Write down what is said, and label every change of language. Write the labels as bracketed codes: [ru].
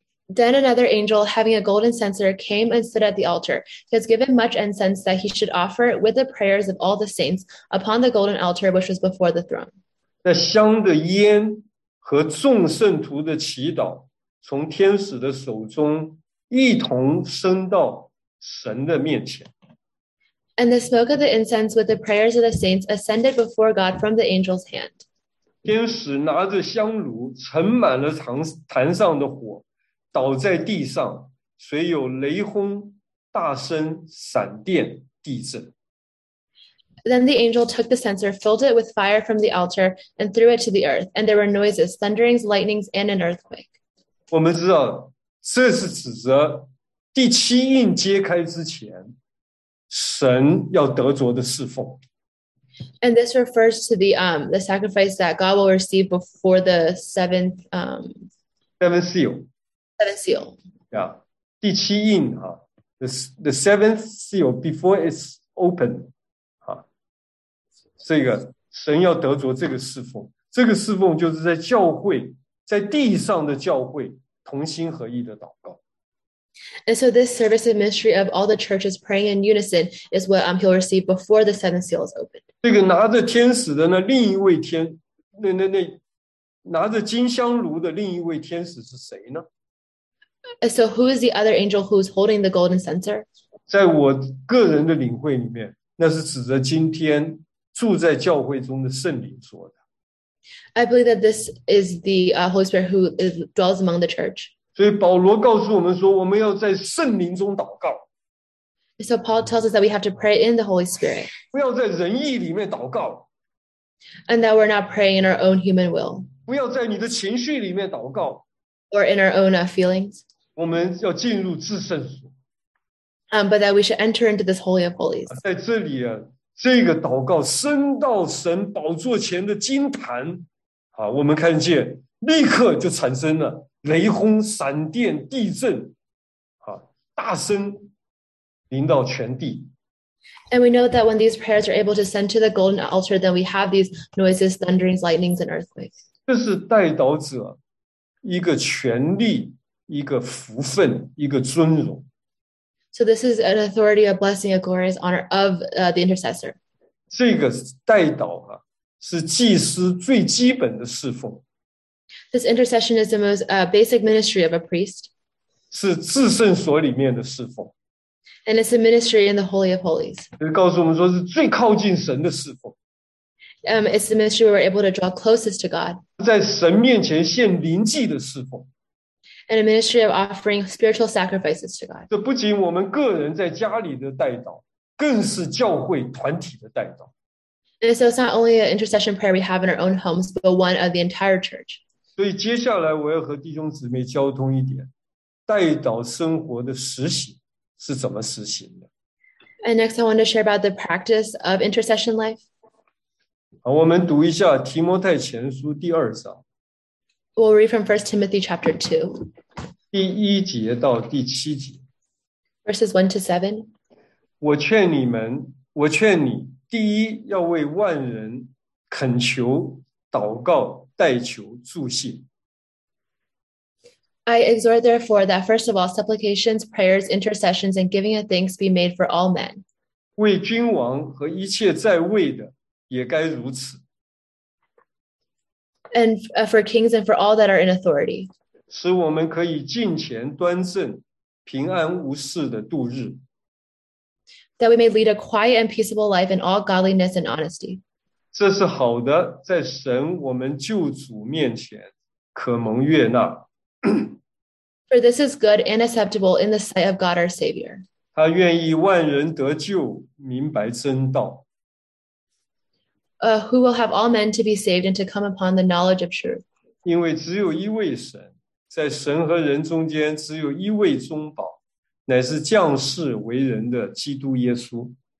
[en] Then another angel, having a golden censer, came and stood at the altar. He has given much incense that he should offer with the prayers of all the saints upon the golden altar which was before the throne. [zh] 那香的烟和众圣徒的祈祷从天使的手中一同升到神的面前。 [en] And the smoke of the incense with the prayers of the saints ascended before God from the angel's hand. [zh] 天使拿着香炉盛满了坛上的火倒在地上，随有雷轰大声闪电地震。 [en] Then the angel took the censer, filled it with fire from the altar, and threw it to the earth, and there were noises, thunderings, lightnings, and an earthquake. [zh] 我们知道这是指着第七印揭开之前神要得着的侍奉。 [en] And this refers to the sacrifice that God will receive before the seventh seal. Yeah, [zh] 第七印啊， [en] the seventh seal before it's open. [zh] 啊，这个神要得着这个侍奉，这个侍奉就是在教会，在地上的教会同心合意的祷告。 [en] And so this service and ministry of all the churches praying in unison is what he'll receive before the seventh seal is opened. [zh] 这个拿着天使的那另一位天，那拿着金香炉的另一位天使是谁呢？ [en] So who is the other angel who is holding the golden censer? [zh] 在我个人的领会里面，那是指着今天住在教会中的圣灵说的。 [en] I believe that this is the Holy Spirit who dwells among the church. [zh] 所以保罗告诉我们说，我们要在圣灵中祷告。 [en] So Paul tells us that we have to pray in the Holy Spirit. [zh] 不要在人意里面祷告。 [en] And that we're not praying in our own human will. [zh] 不要在你的情绪里面祷告。 [en] Or in our own feelings. [zh] 我们要进入至圣所。 [en] But that we should enter into this Holy of Holies. [zh] 在这里啊，这个祷告升到神宝座前的金坛啊，我们看见立刻就产生了雷轰闪电地震啊，大声临到全地。 [en] And we know that when these prayers are able to send to the golden altar, then we have these noises, thunderings, lightnings, and earthquakes. [zh] 这是代祷者一个权力，一个福分，一个尊荣。 [en] So this is an authority, a blessing, a glorious honor of the intercessor. [zh] 这个代祷啊，是祭司最基本的侍奉。 [en] This intercession is the most basic ministry of a priest. [zh] 是至圣所里面的侍奉。 [en] And it's a ministry in the Holy of Holies. [zh] 就告诉我们说是最靠近神的侍奉。 [en] It's the ministry where we're able to draw closest to God. [zh] 在神面前献灵祭的侍奉。 [en] And a ministry of offering spiritual sacrifices to God. [zh] 这不仅我们个人在家里的代祷，更是教会团体的代祷。 [en] And so it's not only an intercession prayer we have in our own homes, but one of the entire church. [zh] 所以接下来我要和弟兄姊妹交通一点，代祷生活的实行是怎么实行的。 [en] And next I want to share about the practice of intercession life. [zh] 好，我们读一下提摩太前书第二章。 [en] We'll read from 1 Timothy chapter 2. [zh] 第一节到第七节。 [en] Verses 1 to 7. [zh] 我劝你，第一要为万人恳求、祷告、代求、祝谢。 [en] I exhort therefore that first of all, supplications, prayers, intercessions, and giving of thanks be made for all men. [zh] 为君王和一切在位的也该如此。 [en] And for kings and for all that are in authority. [zh] 使我们可以敬虔端正，平安无事的度日。 [en] That we may lead a quiet and peaceable life in all godliness and honesty. [zh] 这是好的，在神我们救主面前可蒙悦纳。 [en] For this is good and acceptable in the sight of God our Savior. [zh] 他愿意万人得救，明白真道。 [en] Who will have all men to be saved and to come upon the knowledge of truth. [zh] 因为只有一位神，在神和人中间只有一位中保，乃是降世为人的基督耶稣。